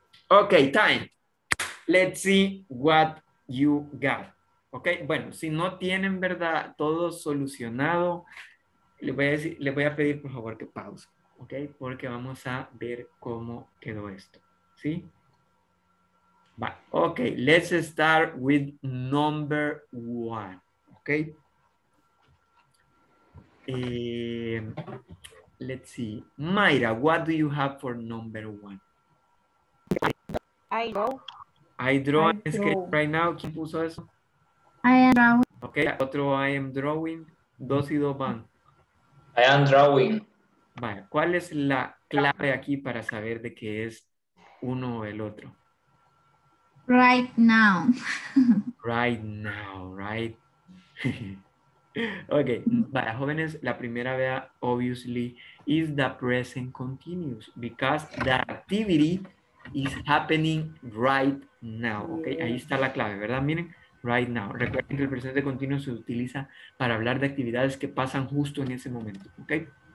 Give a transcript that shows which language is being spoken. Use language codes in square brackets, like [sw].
[en] Okay, time. Let's see what you got. [es] Okay, bueno, si no tienen, verdad, todo solucionado, le voy a pedir por favor que pause. Okay, porque vamos a ver cómo quedó esto. ¿Sí? [en] But, okay, let's start with number one, okay? Let's see. Mayra, what do you have for number one? I draw. Right now. [es] ¿Quién puso eso? [en] I am drawing. [es] Okay, otro [en] I am drawing. [es] Dos y dos van. [en] I am drawing. [es] Vale, ¿cuál es la clave aquí para saber de qué es uno o el otro? [en] Right now. Right now, right? Okay, [es] vaya, jóvenes, la primera vea, [en] obviously, is the present continuous because the activity is happening right now, okay? [es] Ahí está la clave, ¿verdad? Miren, right now. Recuerden que el presente continuo se utiliza para hablar de actividades que pasan justo en ese momento, okay?